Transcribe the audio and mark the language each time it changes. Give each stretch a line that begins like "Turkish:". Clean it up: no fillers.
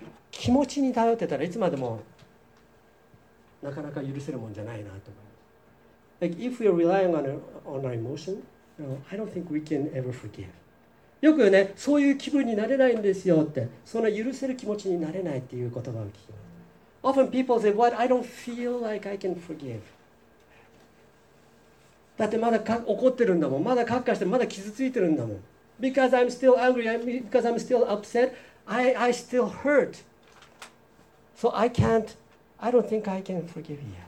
Japanese: 気持ちに頼ってたらいつまでもなかなか許せるもんじゃないなと思います。
English: Like if we are relying on our emotion, you know, I don't think we can ever forgive.
Japanese: よくね、そういう気分になれないんですよって、その許せる気持ちになれないっていう言葉を聞きます。
English: Often people say, what? I don't feel like I can forgive.
Japanese: だってまだ怒ってるんだもん。まだカッカして、まだ傷ついてるんだもん。
English: Because I'm still angry, because I'm still upset, I still hurt. So I don't think I can forgive yet.